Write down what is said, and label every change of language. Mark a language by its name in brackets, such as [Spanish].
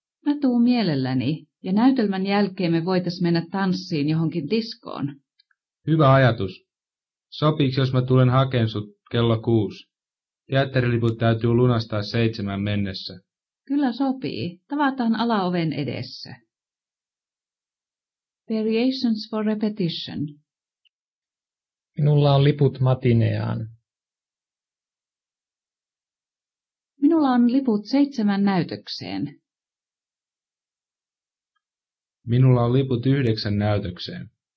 [Finnish] Mä tuun mielelläni, ja näytelmän jälkeen me voitais mennä tanssiin johonkin diskoon. Hyvä ajatus. Sopiiks, jos mä tulen hakemaan sut 6? Teatteriliput täytyy lunastaa 7 mennessä. Kyllä sopii. Tavataan alaoven edessä. [English] Variations for repetition. [Finnish] Minulla on liput matineaan. Minulla on liput 7 näytökseen. Minulla on liput 9 näytökseen.